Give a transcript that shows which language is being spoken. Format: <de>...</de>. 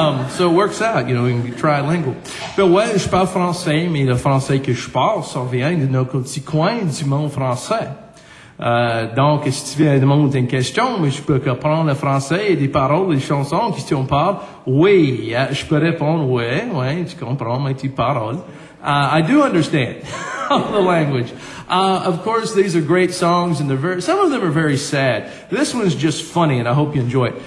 <en>So it works out, you can be trilingual.</en> <fr>Mais ouais, je parle français, mais le français que je parle, ça vient de nos petits coins du monde français. Donc, si tu viens de demander une question, mais je peux comprendre le français et des paroles, des chansons que tu en parles, oui, je peux répondre, oui, tu comprends mes petites paroles.</fr> <en>I do understand the language. Of course, these are great songs, and some of them are very sad. This one's just funny, and I hope you enjoy it.</en>